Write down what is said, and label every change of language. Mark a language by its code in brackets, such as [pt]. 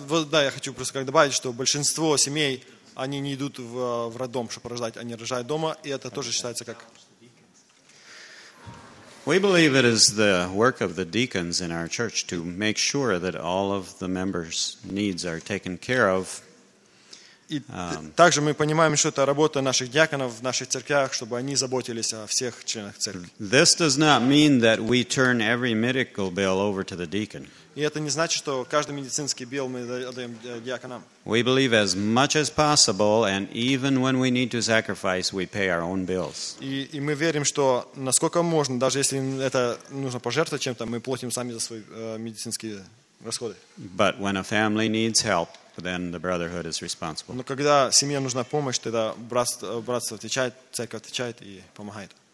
[ru] Да, я хочу просто как добавить, что большинство семей они не идут в роддом, чтобы рождать, они рожают дома, и это тоже считается как. [en] We believe it is the work of the deacons in our church to make sure that all of the members' needs are taken care of. [ru] И также мы понимаем, что это работа наших диаконов в наших церквях, чтобы они заботились о всех членах церкви. [en] This does not mean that we turn every medical bill over to the deacon. [ru] И это не значит, что каждый медицинский билл мы отдаем диаконам. [en] We believe as much as possible, and even when we need to sacrifice, we pay our own bills. [ru] И мы верим, что насколько можно, даже если это нужно пожертвовать чем-то, мы платим сами за свои медицинские расходы. [en] But when a family needs help, then the brotherhood is responsible. [ru] Но когда семье нужна помощь, тогда братство отвечает, церковь отвечает и помогает.